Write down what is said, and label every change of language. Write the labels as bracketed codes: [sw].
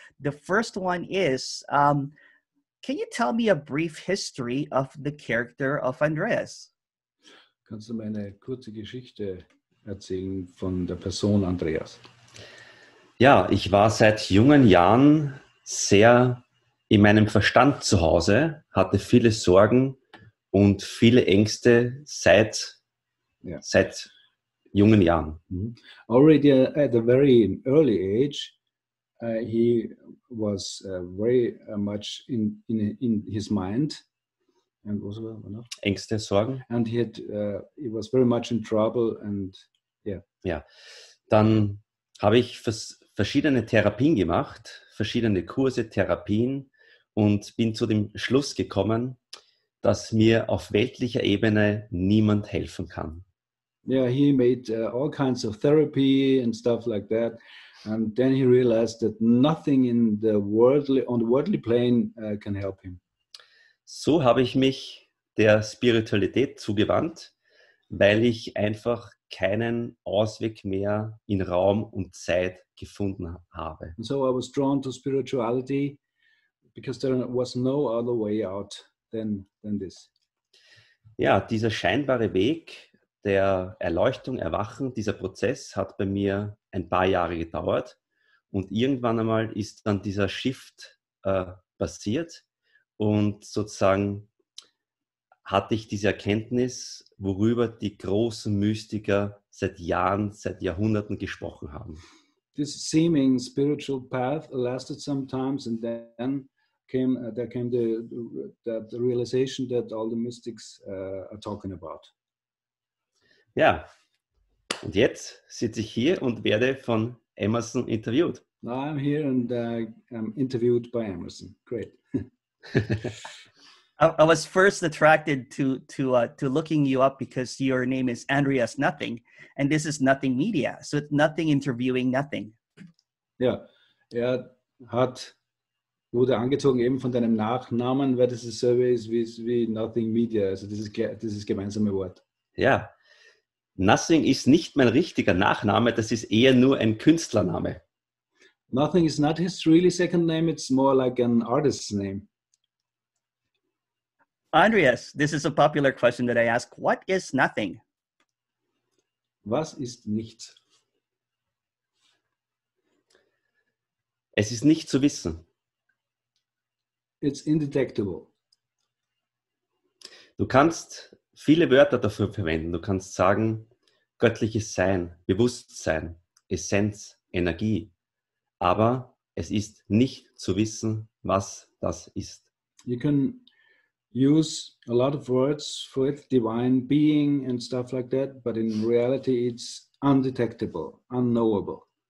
[en] The first one is, can you tell me a brief history of the character of Andreas? [de] Kannst du mir eine kurze Geschichte erzählen von der Person Andreas? Ja, ich war seit jungen Jahren sehr in meinem Verstand zu Hause, hatte viele Sorgen und viele Ängste seit jungen Jahren. [en] Already at a very early age, he was very much in his mind. And was it, you know? [de] Ängste, Sorgen. [en] And he was very much in trouble. And yeah. [de] Ja. Dann habe ich verschiedene Therapien gemacht, verschiedene Kurse, Therapien und bin zu dem Schluss gekommen, dass mir auf weltlicher Ebene niemand helfen kann. [en] Yeah, he made all kinds of therapy and stuff like that, and then he realized that nothing in the worldly on the worldly plane can help him. [de] So habe ich mich der Spiritualität zugewandt, weil ich einfach keinen Ausweg mehr in Raum und Zeit gefunden habe. [en] And so I was drawn to spirituality because there was no other way out than this. [de] Ja, dieser scheinbare Weg der Erleuchtung, Erwachen, dieser Prozess hat bei mir ein paar Jahre gedauert und irgendwann einmal ist dann dieser Shift passiert und sozusagen hatte ich diese Erkenntnis, worüber die großen Mystiker seit Jahren, seit Jahrhunderten gesprochen haben. [en] This seeming spiritual path lasted sometimes and then came the realization that all the mystics are talking about. [de] Ja, und jetzt sitze ich hier und werde von Emerson interviewt. [en] Now I'm here and I'm interviewed by Emerson. Great. I was first attracted to looking you up because your name is Andreas Nothing, and this is Nothing Media, so it's Nothing interviewing Nothing. [de] Ja, er wurde angezogen eben von deinem Nachnamen, weil das ist so wie Nothing Media, also das ist gemeinsame Wort. Ja, Nothing ist nicht mein richtiger Nachname, das ist eher nur ein Künstlername. [en] Nothing is not his really second name, it's more like an artist's name. Andreas, this is a popular question that I ask. What is nothing? [de] Was ist nichts? Es ist nicht zu wissen. [en] It's indetectable. [de] Du kannst viele Wörter dafür verwenden. Du kannst sagen, göttliches Sein, Bewusstsein, Essenz, Energie. Aber es ist nicht zu wissen, was das ist. [en] You can use a lot of words for it, divine being and stuff like that, but in reality it's undetectable, unknowable.